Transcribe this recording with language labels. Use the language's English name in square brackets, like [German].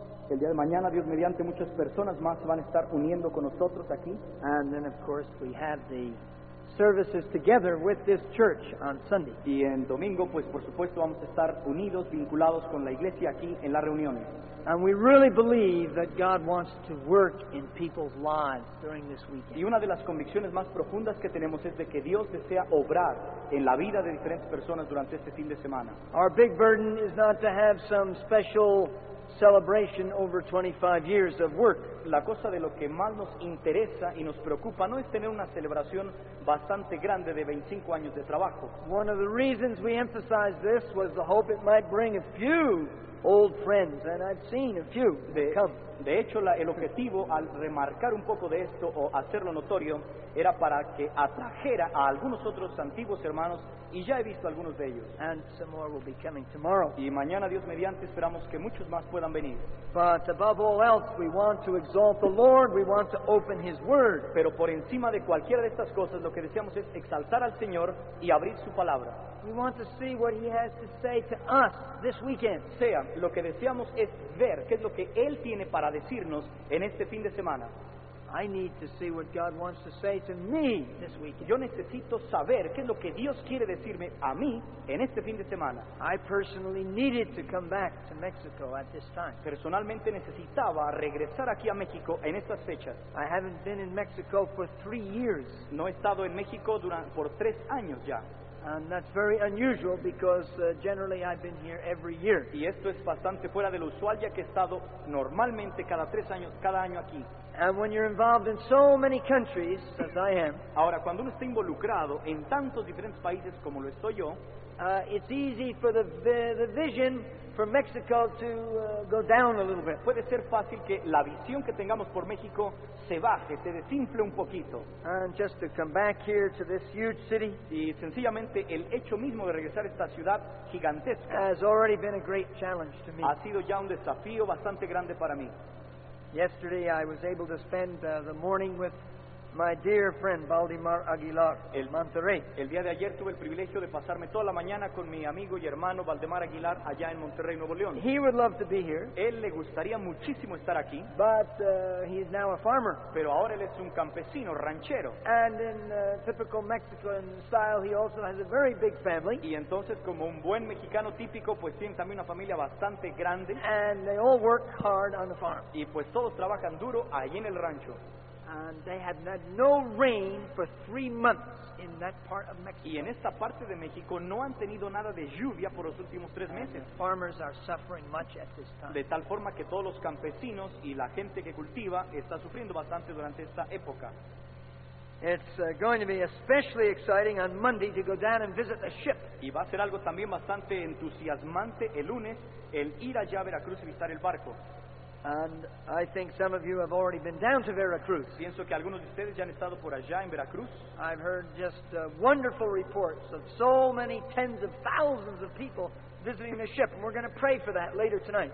[Spanish] El día de mañana, Dios mediante, muchas personas más van a estar uniendo con nosotros aquí. [English] And then, of course, we have the services together with this church on Sunday. [Spanish] Y en domingo, pues, por supuesto, vamos a estar unidos, vinculados con la iglesia aquí en las reuniones. [English] And we really believe that God wants to work in people's lives during this weekend. [Spanish] Y una de las convicciones más profundas que tenemos es de que Dios desea obrar en la vida de diferentes personas durante este fin de semana. [English] Our big burden is not to have some special celebration over 25 years of work. [Spanish] La cosa de lo que más nos interesa y nos preocupa no es tener una celebración bastante grande de 25 años de trabajo. [English] One of the reasons we emphasized this was the hope it might bring a few old friends, and I've seen a few come. [Spanish] De hecho, el objetivo al remarcar un poco de esto o hacerlo notorio era para que atrajera a algunos otros antiguos hermanos, y ya he visto algunos de ellos. [English] And some more will be coming tomorrow. [Spanish] Y mañana, Dios mediante, esperamos que muchos más puedan venir. [English] But above all else, we want to exalt the Lord. We want to open His Word. [Spanish] Pero por encima de cualquiera de estas cosas, lo que deseamos es exaltar al Señor y abrir su palabra. [English] We want to see what He has to say to us this weekend. [Spanish] Sea, lo que deseamos es ver qué es lo que Él tiene para decirnos en este fin de semana. [English] I need to see what God wants to say to me this weekend. [Spanish] Yo necesito saber qué es lo que Dios quiere decirme a mí en este fin de semana. [English] I personally needed to come back to Mexico at this time. [Spanish] Personalmente necesitaba regresar aquí a México en estas fechas. [English] I haven't been in Mexico for 3 years. [Spanish] No he estado en México por 3 años ya. [English] And that's very unusual because generally I've been here every year. [Spanish] Y esto es bastante fuera de lo usual ya que he estado normalmente cada 3 años, cada año aquí. [English] And when you're involved in so many countries, as I am, [Spanish] ahora cuando uno está involucrado en tantos diferentes países como lo estoy yo, [English] it's easy for the vision for Mexico to go down a little bit. [Spanish] Puede ser fácil que la visión que tengamos por México se baje, se desinfle un poquito. [English] And just to come back here to this huge city, [Spanish] y sencillamente el hecho mismo de regresar a esta ciudad gigantesca, [English] has already been a great challenge to me. [Spanish] Ha sido ya un desafío bastante grande para mí. [English] Yesterday I was able to spend the morning with my dear friend Valdemar Aguilar, [Spanish] el Monterrey. El día de ayer tuve el privilegio de pasarme toda la mañana con mi amigo y hermano Valdemar Aguilar allá en Monterrey, Nuevo León. [English] He would love to be here. [Spanish] Él le gustaría muchísimo estar aquí. [English] But he is now a farmer. [Spanish] Pero ahora él es un campesino, ranchero. [English] And in typical Mexican style, he also has a very big family. [Spanish] Y entonces, como un buen mexicano típico, pues tiene también una familia bastante grande. [English] And they all work hard on the farm. [Spanish] Y pues todos trabajan duro allí en el rancho. [English] And they had had no rain for 3 months in that part of Mexico. [Spanish] Y en esta parte de México no han tenido nada de lluvia por los últimos 3 meses. [English] And farmers are suffering much at this time. [Spanish] De tal forma que todos los campesinos y la gente que cultiva está sufriendo bastante durante esta época. [English] It's going to be especially exciting on Monday to go down and visit the ship. [Spanish] Y va a ser algo también bastante entusiasmante el lunes el ir allá a Veracruz y visitar el barco. [English] And I think some of you have already been down to Veracruz. [Spanish] Pienso que algunos de ustedes ya han estado por allá en Veracruz. [English] I've heard just wonderful reports of so many tens of thousands of people visiting the ship, and we're going to pray for that later tonight.